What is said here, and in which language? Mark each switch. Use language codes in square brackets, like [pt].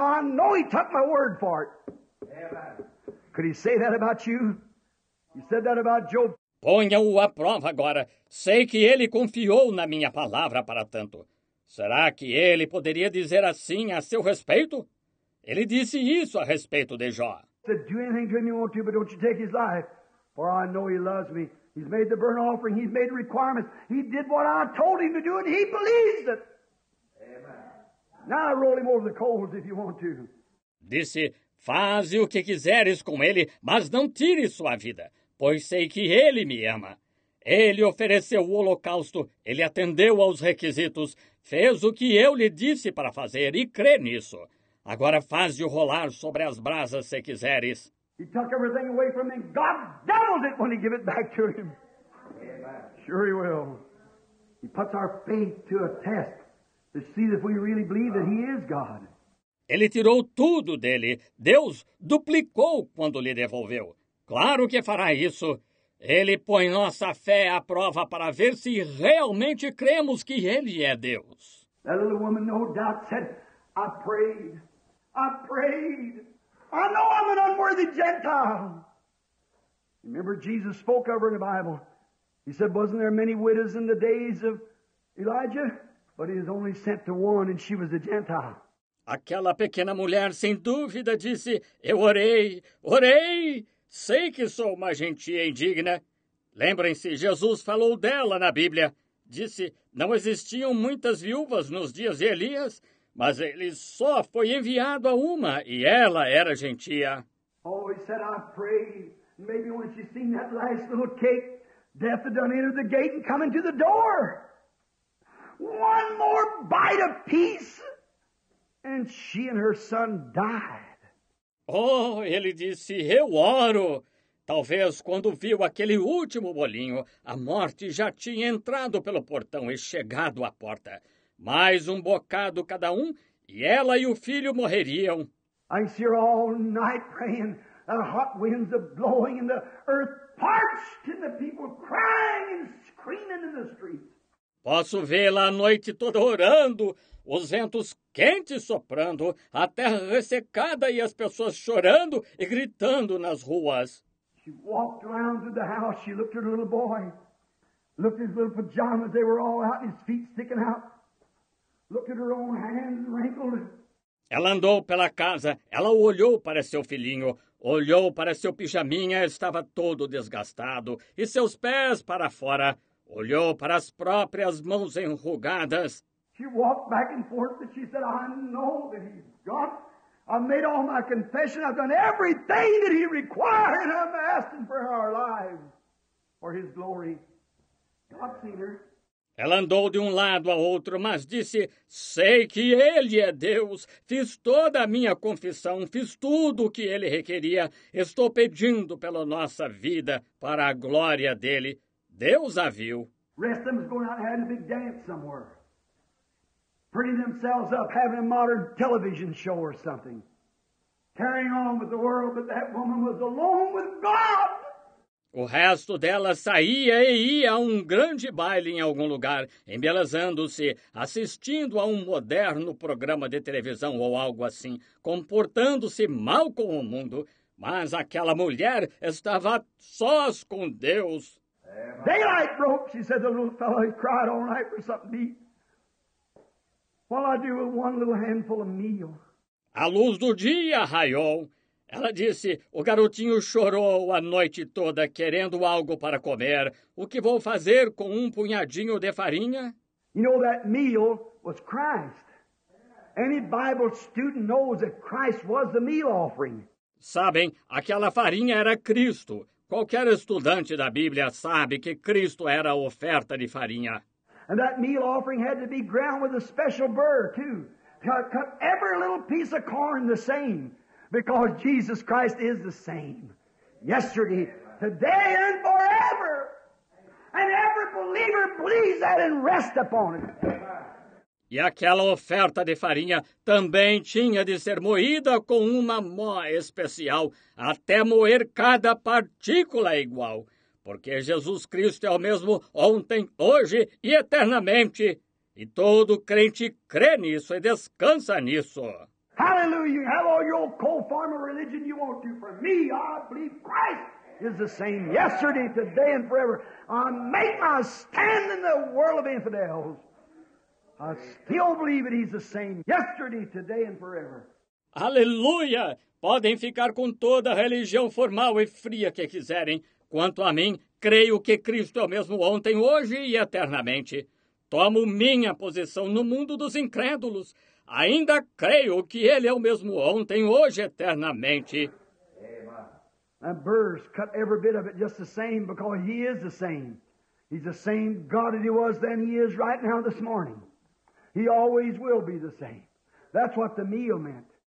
[en] I know he took my word for it. Could he say that about you? He said that about Job. [pt] Ponha-o à prova agora. Sei que ele confiou na minha palavra para tanto. Será que ele poderia dizer assim a seu respeito? Ele disse isso a respeito de Jó. [en] He said, do anything to him you want to, but don't you take his life. For I know he loves me. He's made the burnt offering. He's made requirements. He did what I told him to do, and he believes it. Amen. Now roll him over the coals if you want to. [pt] Disse, faze o que quiseres com ele, mas não tire sua vida, pois sei que ele me ama. Ele ofereceu o holocausto, ele atendeu aos requisitos, fez o que eu lhe disse para fazer e crê nisso. Agora faze-o rolar sobre as brasas se quiseres. [en] He took everything away from him. God doubled it when he gave it back to him. Sure he will. He puts our faith to a test to see if we really believe that he is God. [pt] Ele tirou tudo dele. Deus duplicou quando lhe devolveu. Claro que fará isso. Ele põe nossa fé à prova para ver se realmente cremos que ele é Deus. [en] That little woman, no doubt, said, I prayed. I prayed. I know I'm an unworthy Gentile. Remember, Jesus spoke of her in the Bible. He said, wasn't there many widows in the days of Elijah? But he was only sent to one, and she was a Gentile. [pt] Aquela pequena mulher, sem dúvida, disse, eu orei, orei, sei que sou uma gentia indigna. Lembrem-se, Jesus falou dela na Bíblia. Disse, não existiam muitas viúvas nos dias de Elias, mas ele só foi enviado a uma, e ela era gentia. [en] Oh, he said, I pray, maybe when she's seen that last little cake, death had done enter the gate and come into the door. One more bite of peace. And she and her son died. [pt] Oh, ele disse, eu oro. Talvez quando viu aquele último bolinho, a morte já tinha entrado pelo portão e chegado à porta. Mais um bocado cada um, e ela e o filho morreriam. [en] I can see her all night praying. The hot winds are blowing and the earth parched and the people crying and screaming in the streets. [pt] Posso vê-la a noite toda orando, os ventos quentes soprando, a terra ressecada e as pessoas chorando e gritando nas ruas. [en] She walked around to the house. She looked at her little boy. Looked at his little pajamas. They were all out, his feet sticking out. Looked at her own hands wrinkled. [pt] Ela andou pela casa. Ela olhou para seu filhinho. Olhou para seu pijaminha. Estava todo desgastado. E seus pés para fora. Olhou para as próprias mãos enrugadas. [en] She walked back and forth and she said, I know that he's got. I made all my confession. I've done everything that he required. And I'm asking for our lives. For his glory. God seen her. [pt] Ela andou de um lado ao outro, mas disse, sei que ele é Deus. Fiz toda a minha confissão, fiz tudo o que ele requeria. Estou pedindo pela nossa vida, para a glória dele. Deus a viu. [en] Rest of them is going out and having a big dance somewhere. Putting themselves up, having a modern television show or something. Carrying on with the world, but that woman was alone with God. [pt] O resto dela saía e ia a um grande baile em algum lugar, embelezando-se, assistindo a um moderno programa de televisão ou algo assim, comportando-se mal com o mundo. Mas aquela mulher estava sós com Deus. [en] Daylight broke, she said, the little fellow. He cried all night for something to eat. While I do with one little handful of meal. [pt] A luz do dia raiou. Ela disse, o garotinho chorou a noite toda querendo algo para comer. O que vou fazer com um punhadinho de farinha? [en] You know, that meal was Christ. Any Bible student knows that Christ was the meal offering. [pt] Sabem, aquela farinha era Cristo. Qualquer estudante da Bíblia sabe que Cristo era a oferta de farinha. [en] And that meal offering had to be ground with a special burr, too. Cut every little piece of corn the same. Because Jesus Christ is the same yesterday, today, and forever. And every believer believes that and rests upon it. [pt] E aquela oferta de farinha também tinha de ser moída com uma mó especial, até moer cada partícula igual. Porque Jesus Cristo é o mesmo ontem, hoje e eternamente. E todo crente crê nisso e descansa nisso. [en] Hallelujah. You have all your old co-farmer religion you want to. For me, I believe Christ is the same yesterday, today, and forever. I make my stand in the world of infidels. I still believe that he's the same yesterday, today, and forever. Hallelujah. [pt] Podem ficar com toda a religião formal e fria que quiserem. Quanto a mim, creio que Cristo é o mesmo ontem, hoje e eternamente. Tomo minha posição no mundo dos incrédulos. Ainda creio que ele é o mesmo ontem, hoje, eternamente. [en] And burrs cut every bit of it just the same because he is the same. He's the same God that he was then, he is right now this morning. He always will be the same. That's what the meal meant.